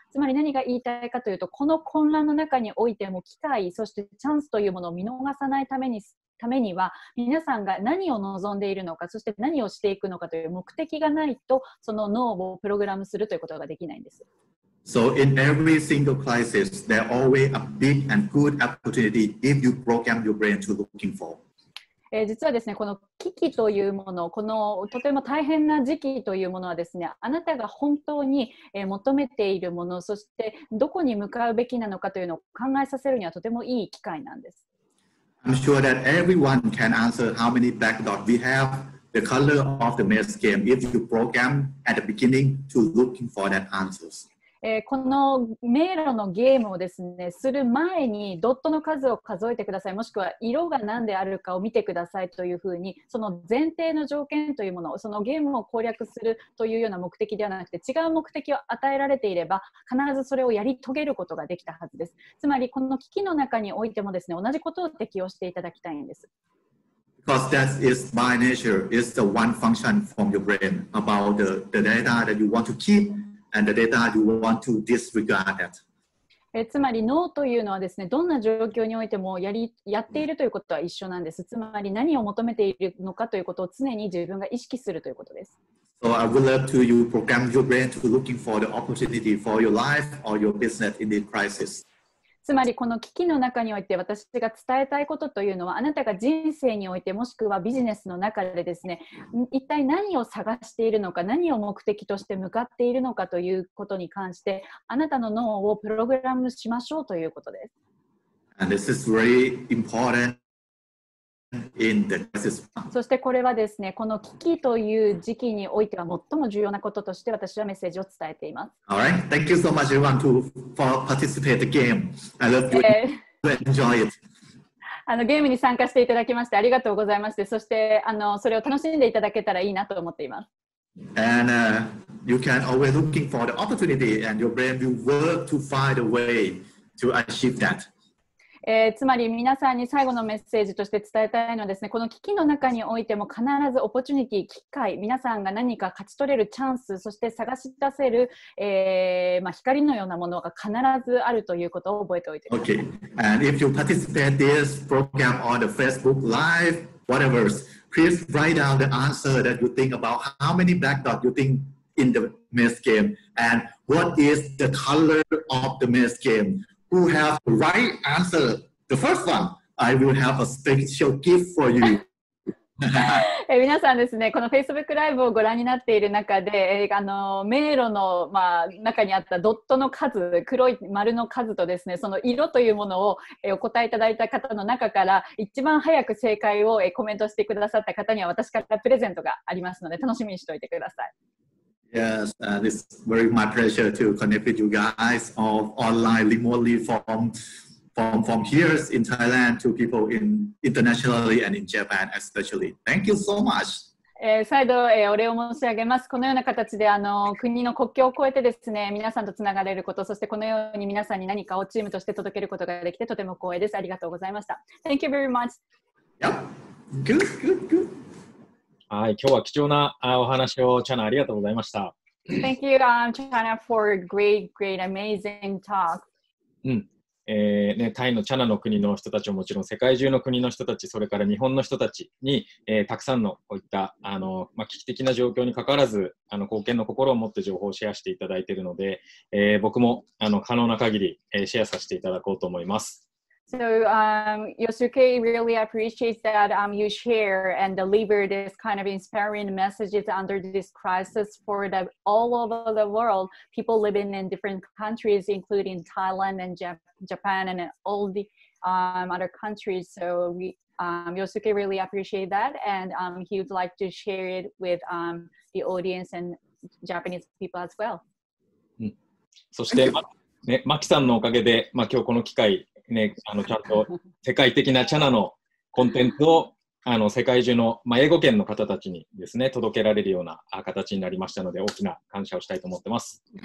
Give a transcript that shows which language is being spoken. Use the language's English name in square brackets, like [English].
[Japanese] つまり何が言いたいかというと、この混乱の中においても機会、そしてチャンスというものを見逃さないためには皆さんが何を望んでいるのか、そして何をしていくのかという目的がないと、その脳をプログラムするということができないんです。 [English] So in every single crisis, there are always a big and good opportunity if you program your brain to looking for. [Japanese] 実はですね、この危機というもの、このとても大変な時期というものはですね、あなたが本当に求めているもの、そしてどこに向かうべきなのかというのを考えさせるにはとてもいい機会なんです。 [English] I'm sure that everyone can answer how many black dots we have, the color of the maze game, if you program at the beginning to looking for that answers. [Japanese] この迷路のゲームをですね、する前にドットの数を数えてください、もしくは色が何であるかを見てくださいというふうに、その前提の条件というもの、そのゲームを攻略するというような目的ではなくて、違う目的を与えられていれば、必ずそれをやり遂げることができたはずです。つまり、この危機の中においてもですね、同じことを適用していただきたいんです。 [English] Because that is by nature, is the one function from your brain about the data that you want to keep. And the data you want to disregard it. [Japanese] つまり脳というのはですね、どんな状況においてもやっているということは一緒なんです。つまり何を求めているのかということを常に自分が意識するということです。 [English] So I would love to you program your brain to looking for the opportunity for your life or your business in the crisis. [Japanese] つまりこの危機の中において私が伝えたいことというのは、あなたが人生においてもしくはビジネスの中でですね、一体何を探しているのか、何を目的として向かっているのかということに関して、あなたの脳をプログラムしましょうということです。 [English] And this is very important in the crisis. [Japanese] そしてこれはですね、この危機という時期においては最も重要なこととして私はメッセージを伝えています。 [English] All right. Thank you so much everyone for participating the game. I love you to enjoy it. [Japanese] ゲームに参加していただきましてありがとうございまして、そしてそれを楽しんでいただけたらいいなと思っています。 [English] And you can always looking for the opportunity and your brain will work to find a way to achieve that. [Japanese] つまり皆さんに最後のメッセージとして伝えたいのはですね、この危機の中においても必ずオポチュニティ、機会、皆さんが何か勝ち取れるチャンス、そして探し出せる、光のようなものが必ずあるということを覚えておいてください。 [English] Okay. And if you participate this program on the Facebook Live, whatever, please write down the answer that you think about how many black dots you think in the maze game and what is the color of the maze gameWho have the right answer, the first one, I will have a special gift for you. [Japanese] 皆さんですね、この Facebook ライブをご覧になっている中で、迷路の、中にあったドットの数、黒い丸の数とですね、その色というものを、お答えいただいた方の中から、一番早く正解を、コメントしてくださった方には、私からプレゼントがありますので、楽しみにしておいてください。 [English] Yes, it's very my pleasure to connect with you guys all online remotely from here in Thailand to people in internationally and in Japan especially. Thank you so much. [Japanese] 再度、お礼を申し上げます。このような形で国の国境を越えてですね、皆さんとつながれること、そしてこのように皆さんに何かをチームとして届けることができてとても光栄です。ありがとうございました。 [English] Thank you very much. Yep. Good. [Japanese] はい、今日は貴重なお話をチャナありがとうございました。 [English] Thank you, Chana, for great, great, amazing talk. [Japanese] タイのチャナの国の人たちももちろん世界中の国の人たち、それから日本の人たちに、たくさんのこういった危機的な状況にかかわらず貢献の心を持って情報をシェアしていただいているので、僕も可能な限り、シェアさせていただこうと思います。 [English] So, Yosuke really appreciates that you share and deliver this kind of inspiring messages under this crisis for all over the world, people living in different countries, including Thailand and Japan and all the other countries. So, Yosuke really appreciates that, and he would like to share it with the audience and Japanese people as well. [Japanese] そして、マキさんのおかげで、今日この機会ね、ちゃんと世界的なチャナのコンテンツを世界中の、まあ、英語圏の方たちにですね、届けられるような形になりましたので、大きな感謝をしたいと思ってます。